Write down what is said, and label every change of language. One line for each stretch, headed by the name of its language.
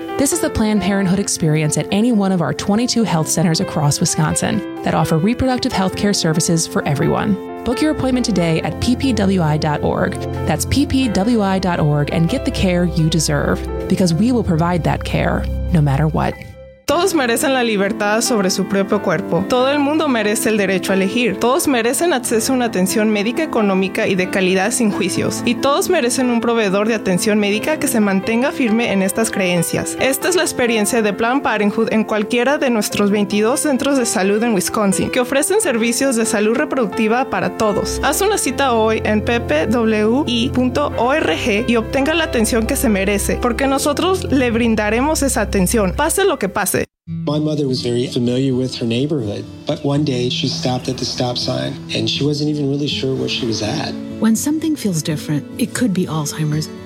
English: This is the Planned Parenthood experience at any one of our 22 health centers across Wisconsin that offer reproductive health care services for everyone. Book your appointment today at ppwi.org. That's ppwi.org, and get the care you deserve, because we will provide that care no matter what.
Spanish: Todos merecen la libertad sobre su propio cuerpo. Todo el mundo merece el derecho a elegir. Todos merecen acceso a una atención médica económica y de calidad sin juicios. Y todos merecen un proveedor de atención médica que se mantenga firme en estas creencias. Esta es la experiencia de Planned Parenthood en cualquiera de nuestros 22 centros de salud en Wisconsin, que ofrecen servicios de salud reproductiva para todos. Haz una cita hoy en ppwi.org y obtenga la atención que se merece, porque nosotros le brindaremos esa atención, pase lo que pase.
English: My mother was very familiar with her neighborhood, but one day she stopped at the stop sign and she wasn't even really sure where she was at. When something feels different, it could be Alzheimer's.